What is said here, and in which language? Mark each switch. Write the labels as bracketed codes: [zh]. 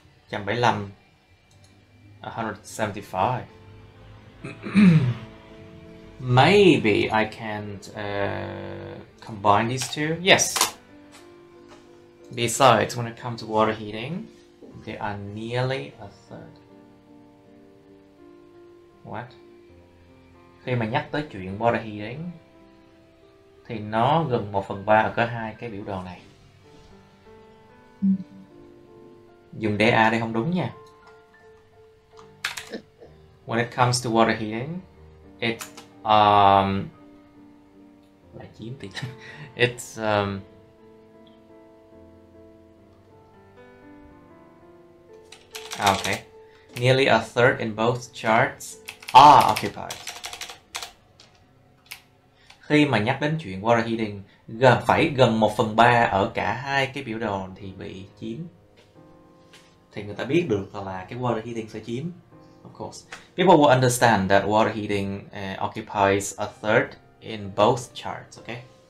[en] 175. Maybe I can combine these two. Yes. Besides, when it comes to water heating, they are nearly a third. What? [vi] Khi mà nhắc tới chuyện water heating, thì nó gần 1/3 ở cả hai cái biểu đồ này. Dùng DA đây không đúng nha. [en] When it comes to water heating, it [vi] lại chiếm tỷ. [en] It's okay. Nearly a third in both charts are occupied. [vi] Khi mà nhắc đến chuyện water heating, gần phải gần 1/3 ở cả hai cái biểu đồ thì bị chiếm. Thì người ta biết được là cái water heating sẽ chiếm. [en] Of course, people will understand that water heating occupies a third in both charts, okay?